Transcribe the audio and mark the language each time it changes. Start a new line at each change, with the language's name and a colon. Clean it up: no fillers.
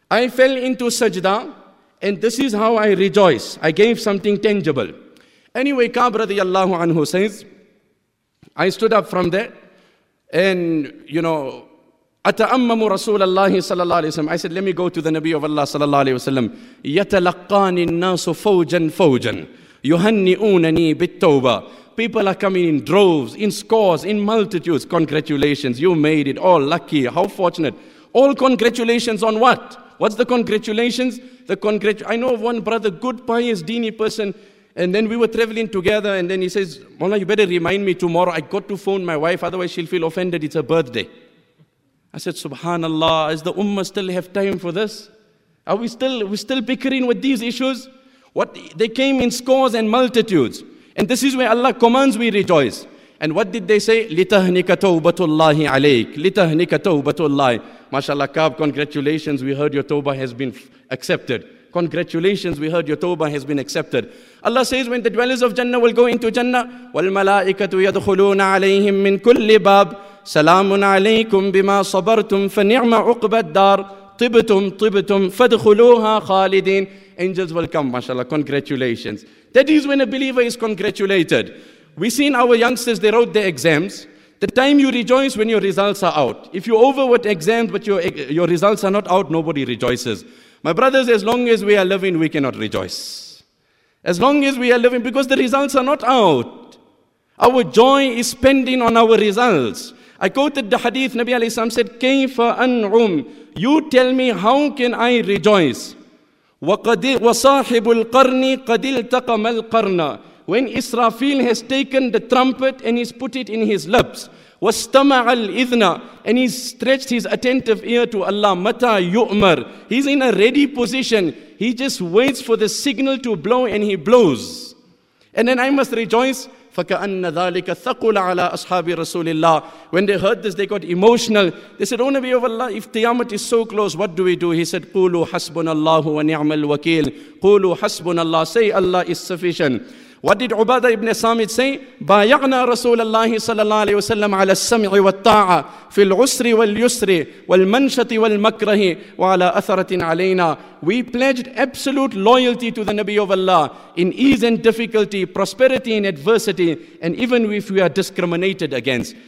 English: I fell into sajda, and this is how I rejoice. I gave something tangible. Anyway, Ka'b radiyallahu anhu says, I stood up from there, and you know,
Arabic: أتأمم رسول الله صلى الله عليه وسلم.
English: I said, let me go to the Nabi of Allah
Arabic: صلى الله عليه وسلم. يتلقاني الناس فوجا فوجا يهنئونني بالتوبة.
English: People are coming in droves, in scores, in multitudes. Congratulations, you made it. All lucky, how fortunate. All congratulations on what? What's the congratulations? I know of one brother, good pious dini person, and then we were traveling together, and then he says, Mullah, you better remind me tomorrow. I got to phone my wife, otherwise she'll feel offended. It's her birthday. I said, subhanallah, is the ummah still have time for this? Are we still bickering with these issues? What, they came in scores and multitudes. And this is where Allah commands we rejoice. And what did they say?
Arabic: لِتَهْنِكَ تَوْبَةُ اللَّهِ عَلَيْكَ لِتَهْنِكَ تَوْبَةُ اللَّهِ.
English: MashaAllah, Ka'b, congratulations, we heard your tawbah has been accepted. Congratulations, we heard your tawbah has been accepted. Allah says, when the dwellers of Jannah will go into Jannah,
Arabic: وَالْمَلَائِكَةُ يَدْخُلُونَ عَلَيْهِمْ مِنْ كُلِّ بَابٍ سَلَامٌ عَلَيْكُمْ بِمَا صَبَرْتُمْ فَنِعْمَ عُقْبَ الدَّارِ طِبْتُمْ فَادْخُلُوهَا خَالِدِينَ.
English: Angels will come, mashallah, congratulations. That is when a believer is congratulated. We seen our youngsters, they wrote their exams. The time you rejoice when your results are out. If you overwrote exams but your results are not out, nobody rejoices. My brothers, as long as we are living, we cannot rejoice. As long as we are living, because the results are not out. Our joy is spending on our results. I quoted the hadith, Nabi alayhi salam said,
Arabic: كَيْفَ أَنْعُمْ.
English: You tell me, how can I rejoice?
Arabic: وَصَاحِبُ الْقَرْنِ قَدِ الْتَقَمَ الْقَرْنَ.
English: When Israfil has taken the trumpet and he's put it in his lips.
Arabic: وَاسْتَمَعَ الْإِذْنَ.
English: And he's stretched his attentive ear to Allah.
Arabic: مَتَى يُؤْمَرْ.
English: He's in a ready position. He just waits for the signal to blow and he blows. And then I must rejoice.
Arabic: فَكَأَنَّ ذَلِكَ ثَقُلَ عَلَىٰ أَصْحَابِ رَسُولِ اللَّهِ.
English: When they heard this, they got emotional. They said, O Nabi of Allah, if Qiyamah is so close, what do we do? He said,
Arabic: قُولُوا حَسْبُنَ اللَّهُ وَنِعْمَ الْوَكِيلُ. قُولُوا حَسْبُنَ اللَّهُ.
English: Say, Allah is sufficient. What did Ubadah ibn Samit say?
Arabic: بَايَعْنَا رَسُولَ اللَّهِ صَلَى اللَّهِ عَلَيْهِ وَسَلَّمَ عَلَى السَّمْعِ وَالطَّاعَةِ فِي الْعُسْرِ وَالْيُسْرِ وَالْمَنْشَةِ وَالْمَكْرَهِ وَعَلَى أَثَرَةٍ عَلَيْنَا.
English: We pledged absolute loyalty to the Nabi of Allah in ease and difficulty, prosperity and adversity, and even if we are discriminated against.